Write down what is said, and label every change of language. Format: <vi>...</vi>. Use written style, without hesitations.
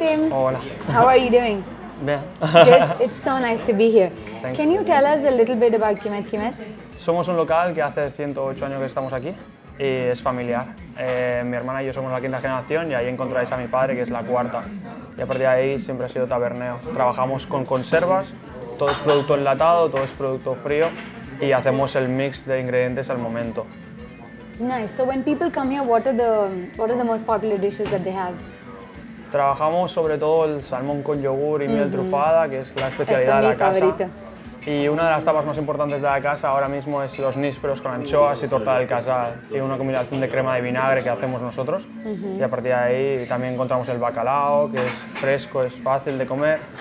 <es>Hola.</es> <en>How are you doing? Good. It's so nice to be here. Thanks. Can you tell us a little bit about Quimet Quimet?</en> <es>Somos un local que hace 108 años que estamos aquí y es familiar. Mi hermana y yo somos la quinta generación y ahí encontráis a mi padre que es la cuarta. Y a partir de ahí siempre ha sido taberneo. Trabajamos con conservas, todo es producto enlatado, todo es producto frío y hacemos el mix de ingredientes al momento.</es> <en>Nice. So when people come here, what are the most popular dishes that they have?</en> <es>Trabajamos sobre todo el salmón con yogur y miel trufada, que es la especialidad de la casa. Favorito. Y una de las tapas más importantes de la casa ahora mismo es los nísperos con anchoas y torta del casal. Y una combinación de crema de vinagre que hacemos nosotros. Y a partir de ahí también encontramos el bacalao, que es fresco, es fácil de comer.</es>